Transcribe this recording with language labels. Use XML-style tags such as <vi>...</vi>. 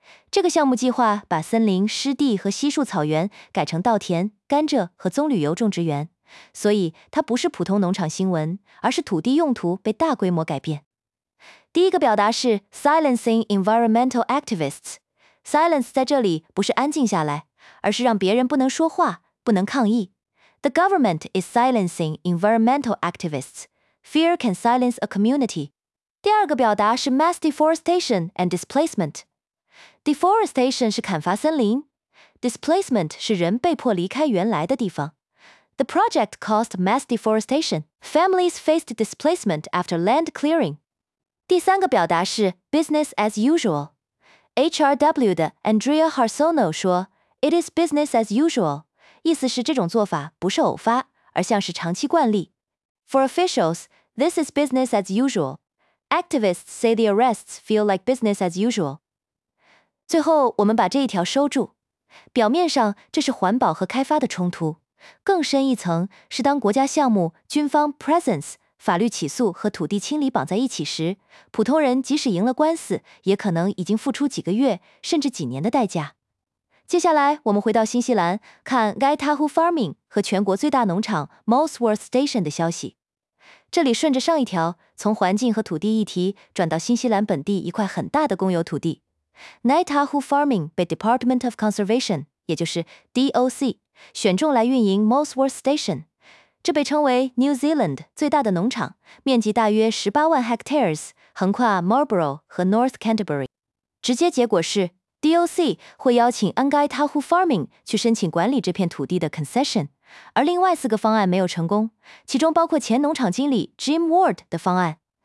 <zh>这个项目计划把森林、湿地和稀树草原改成稻田、甘蔗和棕榈油种植园，所以它不是普通农场新闻，而是土地用途被大规模改变。第一个表达是</zh> <en>silencing environmental activists。</en> <zh>silence 在这里不是安静下来，而是让别人不能说话、不能抗议。</zh> <en>The government is silencing environmental activists. Fear can silence a community。</en> <zh>第二个表达是</zh> <en>mass deforestation and displacement。</en> <zh>deforestation 是砍伐森林， displacement 是人被迫离开原来的地方。</zh> <en>The project caused mass deforestation. Families faced displacement after land clearing.</en> <zh>第三个表达是</zh> <en>business as usual。</en> <zh>HRW 的 Andrea Harsono 说</zh> <en>It is business as usual，</en> <zh>意思是这种做法不是偶发，而像是长期惯例。</zh> <en>For officials, this is business as usual. Activists say the arrests feel like business as usual.</en> <zh>最后，我们把这一条收住。表面上，这是环保和开发的冲突，更深一层是当国家项目、军方 presence、法律起诉和土地清理绑在一起时，普通人即使赢了官司，也可能已经付出几个月甚至几年的代价。接下来，我们回到新西兰，看 Gaitahu Farming 和全国最大农场 Molesworth Station 的消息。这里顺着上一条，从环境和土地议题转到新西兰本地一块很大的公有土地。 Netahu Farming 被 Department of Conservation， 也就是 DOC， 选中来运营 Molesworth Station。这被称为 New Zealand 最大的农场，面积大约18万 hectares， 横跨 Marlborough 和 North Canterbury。直接结果是 DOC 会邀请 Ngāi-Tahu Farming 去申请管理这片土地的 concession， 而另外四个方案没有成功，其中包括前农场经理 Jim Ward 的方案。</zh>